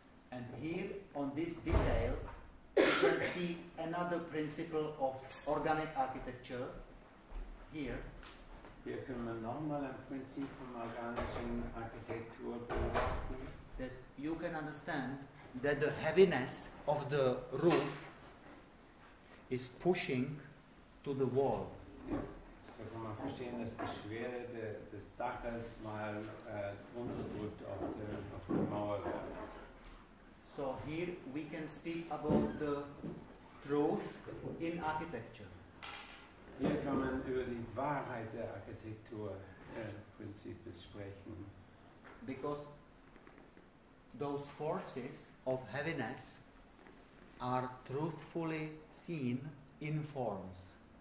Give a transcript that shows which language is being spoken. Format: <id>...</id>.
<en>And here on this detail, you can see another principle of organic architecture.</en> <de>Hier können wir nochmal ein Prinzip von organischen Architektur beobachten.</de> <en>That you can understand that the heaviness of the roof is pushing to the wall.</en> <de>So kann man verstehen, dass die Schwere des Daches mal unterdrückt auf der Mauer wird.</de> <en>So here we can speak about the truth in architecture.</en> <de>Hier kann man über die Wahrheit der Architektur Prinzip sprechen.</de> <en>Because those forces of heaviness are truthfully seen in forms.</en>